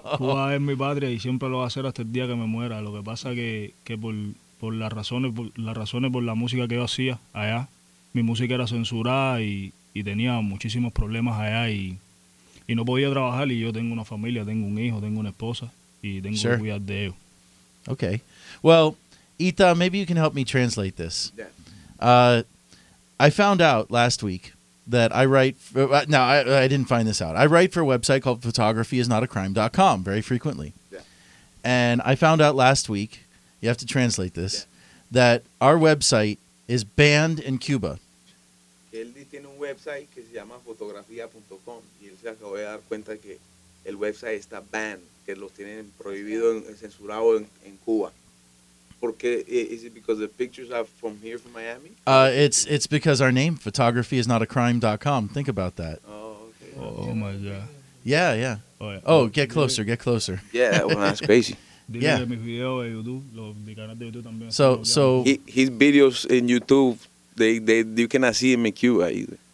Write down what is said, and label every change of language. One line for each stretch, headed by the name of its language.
Spanish: Cuba es mi patria y siempre lo va a hacer hasta el día que me muera. Lo que pasa es que por las razones por la música que yo hacía allá, mi música era censurada y tenía muchísimos problemas allá y no podía trabajar. Y yo tengo una familia, tengo un hijo, tengo una esposa y tengo que cuidar de ellos.
English: Okay. Well, Ita, maybe you can help me translate this. Yeah. I found out last week that I write for, now I didn't find this out. I write for a website called photographyisnotacrime.com very frequently. Yeah. And I found out last week, you have to translate this, that our website is banned in Cuba.
Spanish: Él tiene un website que se llama fotografia.com y él se acabó de dar cuenta que el website está banned, que lo tienen prohibido, censurado en Cuba.
English: Is it because the pictures are from here, from Miami? It's because our name, photographyisnotacrime.com. Think about that. Oh, okay. Oh my God. Yeah. Oh, get closer. Yeah, well, that's crazy. So his videos in YouTube, they you cannot see him in Cuba either.